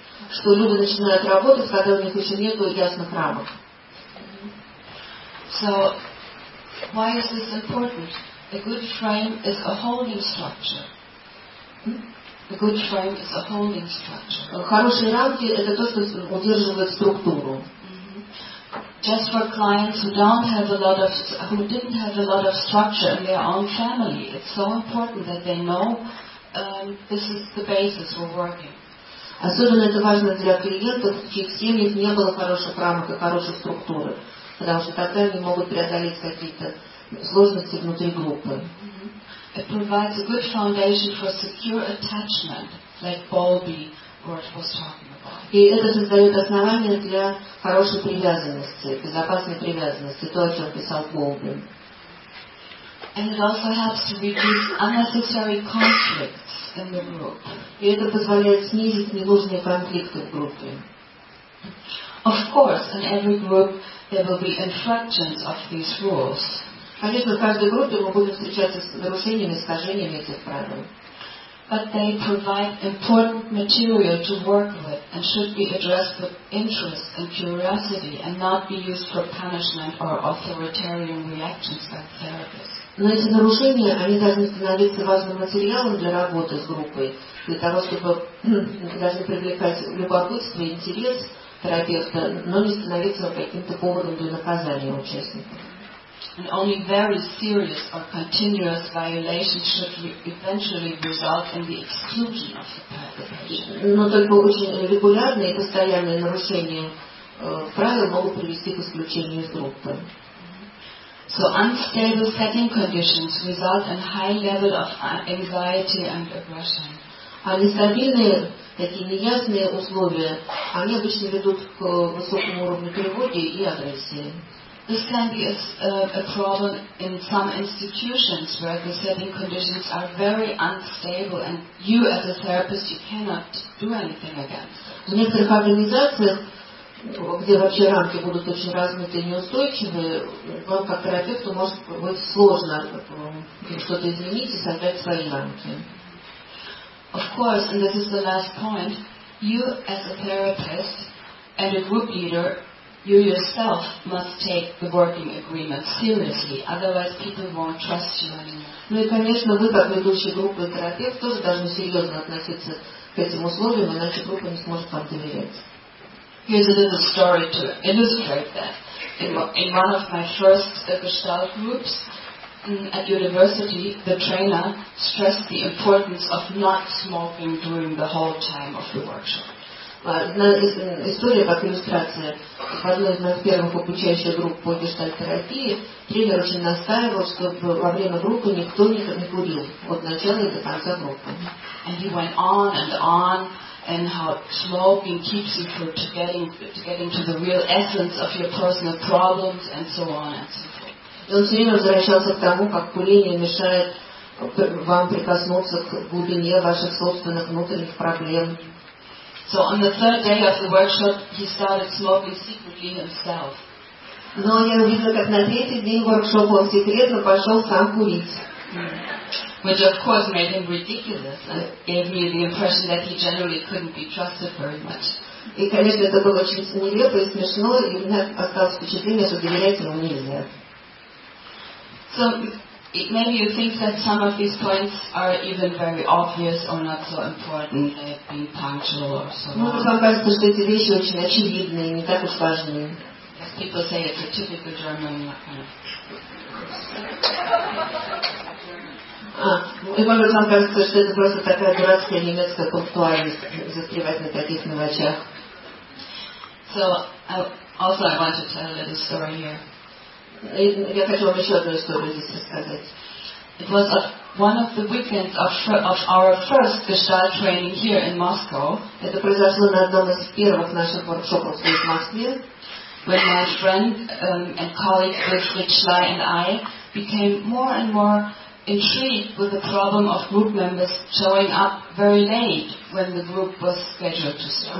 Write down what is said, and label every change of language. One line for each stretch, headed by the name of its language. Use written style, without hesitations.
Russian: что люди начинают работать, когда у них еще нету ясных рамок.
English: So, why is this important? A good frame is a holding structure. A good frame is a holding structure.
Russian: Хорошие рамки – это то, что удерживает структуру.
English: Just for clients who don't have a lot of, who didn't have a lot of structure in their own family, it's so important that they know this is the basis for working.
Russian: Особенно это важно для клиентов, в чьих семьях не было хороших рамок и хорошей структуры, потому что тогда они могут преодолеть какие-то сложности внутри группы.
English: It provides a good foundation for secure attachment, like Bowlby was talking about.
Russian: И это создает основание для хорошей привязанности, безопасной привязанности, то, о чем писал Bowlby.
English: And it also helps to reduce unnecessary conflicts in the group.
Russian: И это позволяет снизить ненужные конфликты в группе.
English: Of course, in every group there will be infractions of these rules.
Russian: Конечно, в каждой группе мы будем встречаться с нарушениями, искажениями этих правил.
English: But they provide important material to work with and should be addressed with interest and curiosity and not be used for punishment or authoritarian reactions by therapists.
Russian: Но эти нарушения, они должны становиться важным материалом для работы с группой, для того, чтобы должны привлекать любопытство и интерес терапевта, но не становиться каким-то поводом для наказания участников.
English: And only very serious or continuous violations should eventually result in the exclusion of the patient.
Russian: Но только очень регулярные и постоянные нарушения правил могут привести к исключению из группы.
English: So unstable setting conditions result in high level of anxiety and aggression.
Russian: А нестабильные, такие неясные условия, они обычно ведут к высокому уровню тревоги и агрессии.
English: This can be a problem in some institutions where the setting conditions are very unstable and you as a therapist you cannot do anything against.
Russian: В некоторых организациях, где вообще рамки будут очень размытые и неустойчивые, вам как терапевту может быть сложно что-то изменить и создать свои рамки.
English: Of course, and this is the last point, you as a therapist and a group leader, you yourself must take the working agreement seriously, otherwise people won't trust you anymore.
Russian: Ну и, конечно, вы, как ведущий группы и терапевт, тоже должны серьезно относиться к этим условиям, иначе группа не сможет вам доверять.
English: Here's a little story to illustrate that. In one of my first Gestalt groups at university, the trainer stressed the importance of not smoking during the whole time of the workshop.
Russian: История как иллюстрация. В одной из моих первых обучающих групп по гештальт-терапии тренер очень настаивал, чтобы во время группы никто не курил от начала и до конца группы.
English: And he went on and on and how smoking keeps you from getting to the real essence of your personal problems and so on and so forth.
Russian: И он все время возвращался к тому, как курение мешает вам прикоснуться к глубине ваших собственных внутренних проблем.
English: So on the third day of the workshop, he started smoking secretly himself.
Russian: Но я увидела, как на третий день воркшопа он секретно пошел сам курить.
English: Which of course made him ridiculous and gave me the impression that he generally couldn't be trusted very much.
Russian: И, конечно, это было очень нелепо и смешно, и у меня осталось впечатление, что доверять ему нельзя.
English: So maybe you think that some of these points are even very obvious or not so important, like being punctual or so on.
Russian: Ну, вам кажется, что эти вещи очень очевидные, не так уж важные.
English: As people say, it's a typical German kind of...
Russian: И может вам кажется, что это просто такая дурацкая немецкая пунктуальность, застревать на таких мелочах.
English: So, also I want to tell a little story here.
Russian: Я хочу вам еще одну историю здесь рассказать.
English: It was one of the weekends of our first Gestalt training here in Moscow,
Russian: это произошло на одном из первых наших воркшопов здесь, в Москве,
English: when my friend and colleague Rich Richley and I became more and more intrigued with the problem of group members showing up very late when the group was scheduled to start.